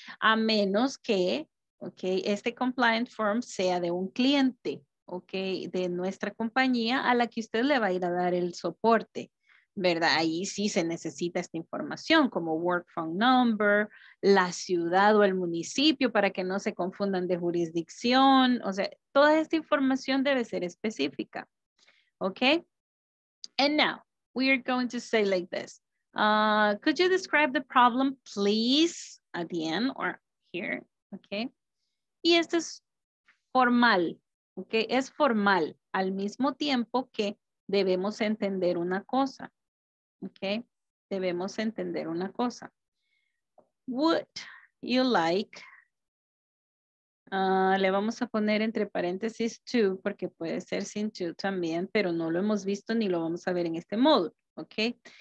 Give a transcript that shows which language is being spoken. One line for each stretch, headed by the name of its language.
Spanish: A menos que, okay, este compliant form sea de un cliente, okay, de nuestra compañía a la que usted le va a ir a dar el soporte, ¿verdad? Ahí sí se necesita esta información como work phone number, la ciudad o el municipio para que no se confundan de jurisdicción. O sea, toda esta información debe ser específica, okay?
English: And now, we are going to say like this. Could you describe the problem, please, at the end or here, okay?
Spanish: Y esto es formal, okay? Es formal al mismo tiempo que debemos entender una cosa, okay? Debemos entender una cosa. Would you like, le vamos a poner entre paréntesis to, porque puede ser sin to también, pero no lo hemos visto ni lo vamos a ver en este modo, okay?